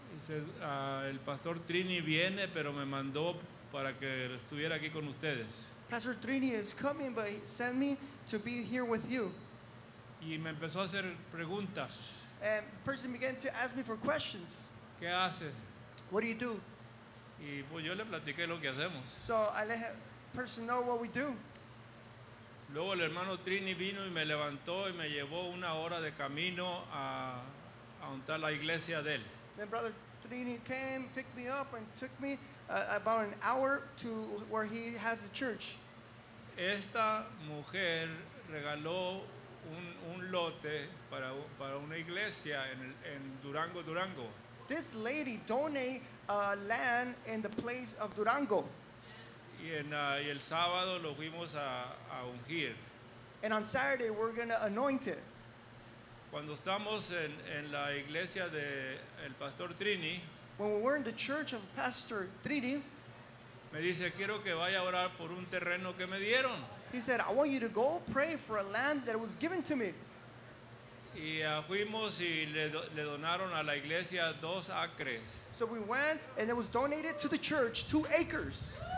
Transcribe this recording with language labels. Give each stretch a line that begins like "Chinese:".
Spanish: Y said, el Pastor Trini viene, pero me mandó para que estuviera aquí con ustedes.
English: Pastor Trini is coming, but he sent me to be here with you.
Spanish: Y me empezó a hacer preguntas.
English: And the person began to ask me for questions.
Spanish: ¿Qué haces?
English: What do you do?
Spanish: Y pues yo le platiqué lo que hacemos.
English: So I let the person know what we do.
Spanish: Luego el hermano Trini vino y me levantó y me llevó una hora de camino a untar la iglesia de él.
English: Then brother Trini came, picked me up and took me about an hour to where he has the church.
Spanish: Esta mujer regaló un lote para una iglesia en Durango, Durango.
English: This lady donated land in the place of Durango.
Spanish: Y el sábado lo fuimos a ungir.
English: And on Saturday we're going to anoint it.
Spanish: Cuando estamos en la iglesia de el pastor Trini,
English: when we were in the church of Pastor Trini,
Spanish: me dice, quiero que vaya a orar por un terreno que me dieron.
English: He said, I want you to go pray for a land that was given to me.
Spanish: Y fuimos y le donaron a la iglesia 2 acres.
English: So we went and it was donated to the church 2 acres.